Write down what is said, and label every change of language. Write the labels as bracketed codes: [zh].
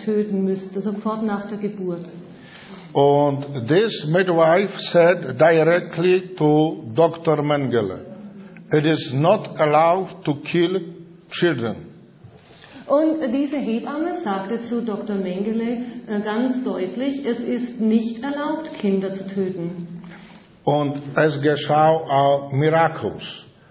[de] töten müsste, sofort nach der Geburt. [en] Und this midwife said directly to Dr. Mengele, it is not allowed to kill children. [de] Und diese Hebamme sagte zu Dr. Mengele ganz deutlich, es ist nicht erlaubt, Kinder zu töten. Und es geschah auch Miracles.